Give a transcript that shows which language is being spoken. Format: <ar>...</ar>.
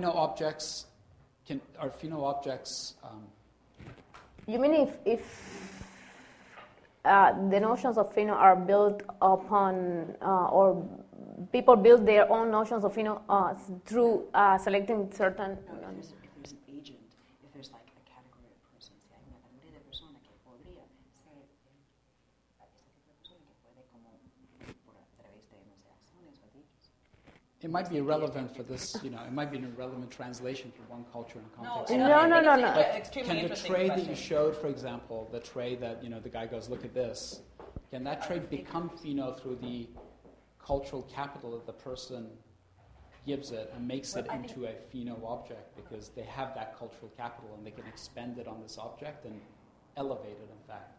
<en>Are fino objects... You mean if the notions of fino are built upon or... People build their own notions of, you know, through selecting certain... If there's an agent, if there's like a category of person,</en> <es>si hay una categoría de persona que podría ser esa categoría de persona que puede como por a través de, no sé, acciones o dichos.</es> <en>It might be irrelevant for this, you know, it might be an irrelevant translation for one culture and context. No. But can the tray that you showed, for example, the tray that, you know, the guy goes, look at this, can that tray become fino through the... cultural capital that the person gives it and makes it into a fino object because they have that cultural capital and they can expend it on this object and elevate it, in fact?</en>